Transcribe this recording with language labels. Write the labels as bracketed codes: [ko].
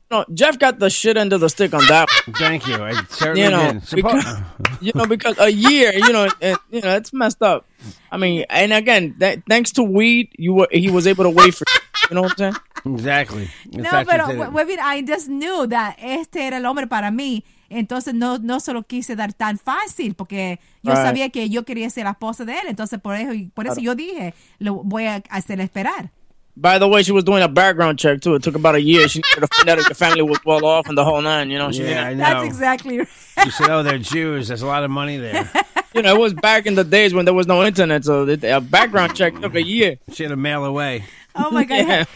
[en] But, you know, Jeff got the shit end of the stick on that. Thank you. I certainly did. Because a year, you know, and, you know, it's messed up. I mean, and again, thanks to weed, he was able to wait for you know what I'm saying? Exactly. I just knew that [es] este era el hombre para mí. Entonces, no se lo quise dar tan fácil porque yo sabía que yo quería ser la esposa de él. Entonces, por eso yo dije, lo voy a hacer esperar. [en] By the way, she was doing a background check, too. It took about a year. She needed to find out if your family was well off and the whole nine, you know? That's exactly right. You said, oh, they're Jews. There's a lot of money there. You know, it was back in the days when there was no internet, so a background check took a year. She had to mail away. Oh, my God. Yeah.